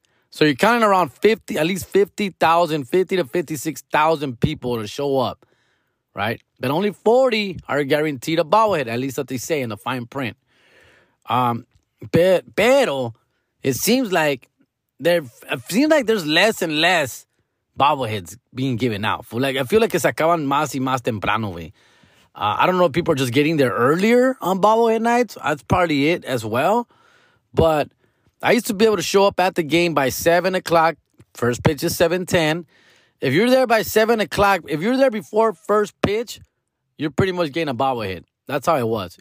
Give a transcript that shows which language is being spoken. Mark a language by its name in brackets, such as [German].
[English] So you're counting around 50 to 56,000 people to show up, right? But only 40 are guaranteed a bobblehead, at least what they say in the fine print. Pero, it seems like there's less and less bobbleheads being given out. Like, I feel like it's [Spanish] acaban más y más temprano, güey. [English] I don't know if people are just getting there earlier on bobblehead nights. That's probably it as well. But I used to be able to show up at the game by 7 o'clock. First pitch is 7:10. If you're there by 7 o'clock, if you're there before first pitch, you're pretty much getting a bobblehead. That's how it was.